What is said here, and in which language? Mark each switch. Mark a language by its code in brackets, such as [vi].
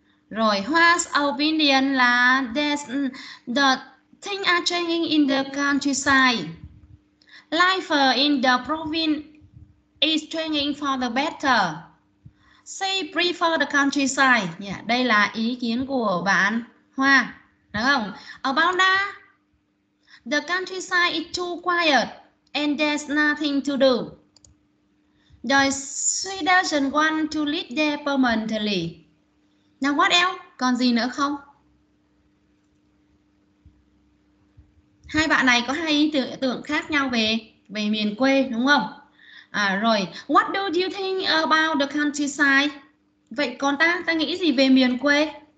[en] Rồi, Hoa's opinion là that the things are changing in the countryside. Life in the province is changing for the better. She prefer the countryside. [vi] Yeah, đây là ý kiến của bạn Hoa, đúng không? [en] About that, the countryside is too quiet and there's nothing to do. Rồi, she doesn't want to live there permanently. Now what else? [vi] Còn gì nữa không? Hai bạn này có hai ý tưởng khác nhau về về miền quê đúng không? [en] À rồi, what do you think about the countryside? [vi] Vậy còn ta nghĩ gì về miền quê?